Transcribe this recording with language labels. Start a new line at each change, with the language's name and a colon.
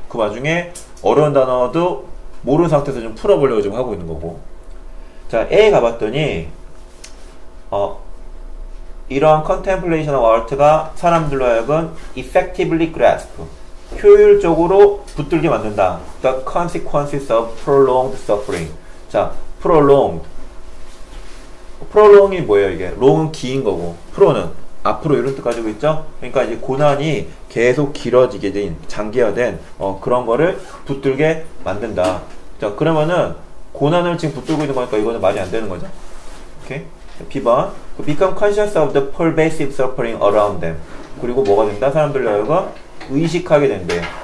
Korean: 그 와중에 어려운 단어도 모르는 상태에서 좀 풀어보려고 지금 하고 있는 거고. 자, A 가봤더니 이러한 컨템플레이션 오브 아트가 사람들로 하여금
English: effectively grasp,
Korean: 효율적으로 붙들게 만든다.
English: The consequences of prolonged suffering.
Korean: 자, prolonged. prolonged이 뭐예요, 이게? long은 긴 거고, pro는 앞으로 이런 뜻 가지고 있죠? 그러니까 이제 고난이 계속 길어지게 된, 장기화된, 그런 거를 붙들게 만든다. 자, 그러면은, 고난을 지금 붙들고 있는 거니까 이거는 말이 안 되는 거죠? 오케이? B번.
English: become conscious of the pervasive suffering around them.
Korean: 그리고 뭐가 된다? 사람들로 하여금 의식하게 된대.